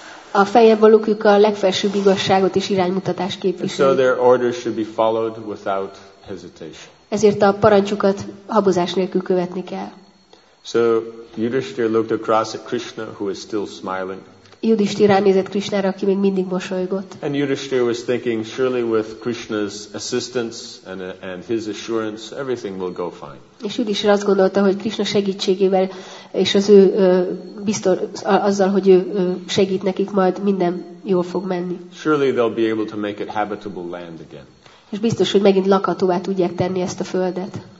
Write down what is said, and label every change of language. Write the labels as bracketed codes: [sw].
[hu] A fejevalókuk a legfelsőbb igazságot és iránymutatást képviseli. [en] So their orders should be followed without hesitation. [hu] Ezért a parancsukat habozás nélkül követni kell. [en] So Yudhishthira looked across at Krishna, who is still smiling. [hu] Yudhishthira ránézett Krishnára, aki még mindig mosolygott. [en] And Yudhishthira was thinking, surely with Krishna's assistance and his assurance, everything will go fine. [hu] És Yudhishthira azt gondolta, hogy Krishna segítségével és az ő biztos, azzal, hogy ő segít nekik, majd minden jól fog menni. [en] Surely they'll be able to make it habitable land again. [hu] És biztos, hogy megint lakhatóvá tudják tenni ezt a földet.